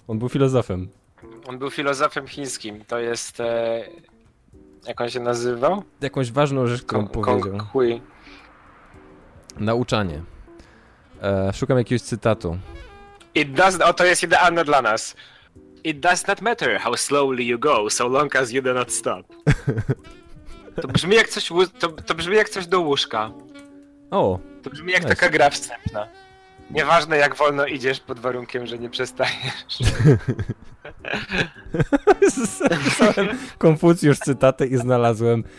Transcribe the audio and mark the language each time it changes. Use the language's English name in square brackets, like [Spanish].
[Polish] On był filozofem. On był filozofem chińskim. To jest... jak on się nazywał? Jakąś ważną rzecz, którą powiedział. Kong-hui. Nauczanie. Szukam jakiegoś cytatu. [English] It does... [Polish] O, to jest idealne dla nas. [English] It does not matter how slowly you go, so long as you do not stop. [Polish] To brzmi jak coś do łóżka. O. To brzmi jak taka gra wstępna. Nieważne jak wolno idziesz pod warunkiem, że nie przestajesz. Zostałem Konfucjusz cytatę i znalazłem.